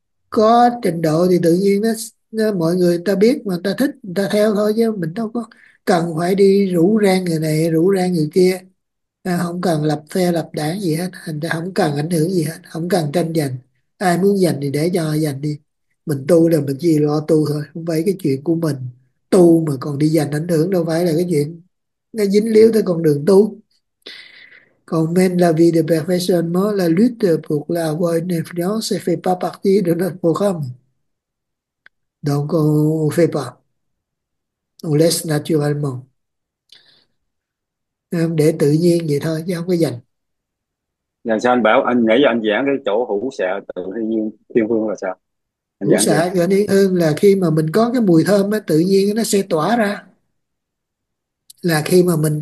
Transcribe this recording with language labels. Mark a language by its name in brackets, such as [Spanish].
[Vietnamese] có trình độ thì tự nhiên nó mọi người ta biết, mà ta thích người ta theo thôi, chứ mình đâu có cần phải đi rủ rang người này rủ rang người kia, không cần lập phe lập đảng gì hết, hình ra không cần ảnh hưởng gì hết, không cần tranh giành, ai muốn giành thì để cho giành đi, mình tu là mình chỉ lo tu thôi, không phải cái chuyện của mình tu mà còn đi giành ảnh hưởng, đâu phải là cái chuyện nó dính líu tới con đường tu. [French] Còn men la vie de perfectionnement, la lutte pour avoir une influence ne fait pas partie de notre programme. Donc, on ne fait pas. On laisse naturellement. [Vietnamese] Để tự nhiên vậy thôi, chứ không có dành. Là sao anh bảo anh nãy giờ anh giảng cái chỗ hữu xạ tự nhiên thiên phương là sao anh Hữu giảng xả gần yên hương là khi mà mình có cái mùi thơm á, tự nhiên nó sẽ tỏa ra. Là khi mà mình